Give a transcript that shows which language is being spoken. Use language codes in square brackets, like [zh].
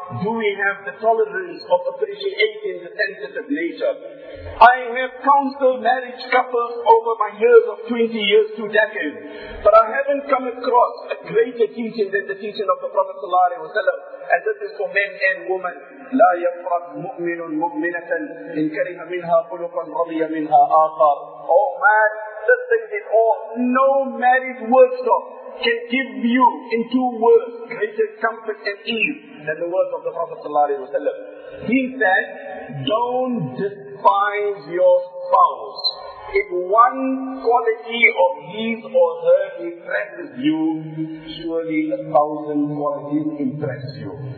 [en] do we have the tolerance of appreciating the sensitive nature? I have counseled marriage couples over my years of 20 years, 2 decades, but I haven't come across a greater teaching than the teaching of the Prophet sallallahu alaihi wasallam, and this is for men and women. [ar] لا يفرق مؤمن مؤمنة إن كره منها خلقا رضي منها آخر. [en] Oh man, this thing is all. No married workshop can give you in 2 words greater comfort and ease than the words of the Prophet sallallahu alaihi wasallam. He said, don't despise your spouse. If one quality of his or her impresses you, surely 1,000 qualities impress you.